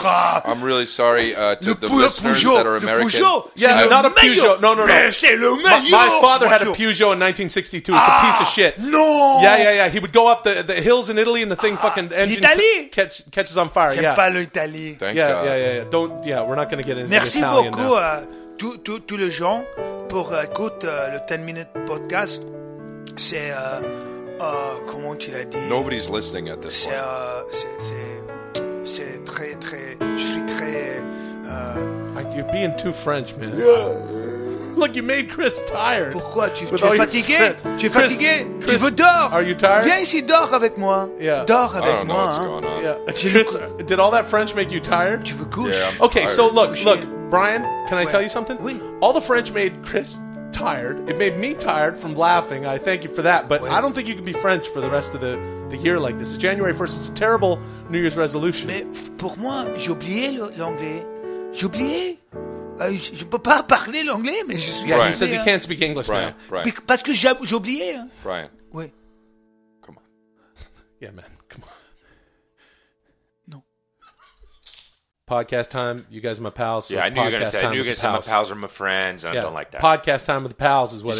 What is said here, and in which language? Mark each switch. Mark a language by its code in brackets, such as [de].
[en] I'm really sorry to the listeners that are American. Not a Peugeot. No. [fr] Mais c'est le meilleur. [en] My father had a Peugeot in 1962. It's a piece of shit. No. Yeah. He would go up the hills in Italy and the thing fucking the engine catches on fire. [fr] J'aime pas l'Italie. [en] Yeah. Don't, we're not going to get into [fr] merci [en] Italian [fr] beaucoup, [en] now. [fr] Merci beaucoup à tous les gens pour écouter le 10-minute podcast. C'est comment tu l'as dit? [en] Nobody's listening at this [fr] c'est, [en] point. [fr] C'est très très. Je suis très. [en] You're being too French, man. Yeah. Look, you made Chris tired. [fr] Pourquoi tu es fatigué? Chris, tu veux dors? [en] Are you tired? [fr] Viens ici, dors avec moi. [en] Yeah. [fr] Dors avec moi. [en] I don't know what's going on. Yeah. Chris, did all that French make you tired? [fr] Tu veux couche? [en] Yeah, okay, tired. So look, Brian, can I tell you something? [fr] Oui. [en] All the French made Chris. Tired. It made me tired from laughing. I thank you for that, but I don't think you can be French for the rest of the year like this. It's January 1st. It's a terrible New Year's resolution. [fr] Mais pour moi, j'ai oublié l'anglais. J'ai oublié. Je peux pas parler l'anglais, mais je suis. [en] Yeah, he says he can't speak English Brian, now. Brian. [fr] Parce que j'ai oublié. [en] Brian. [fr] Oui. [en] Come on. Yeah, man. Come on. No. Podcast time. You guys are my pals. Yeah, I knew you were going to say. I knew you were going to say my pals are my friends, and yeah. I don't like that. Podcast time with the pals is what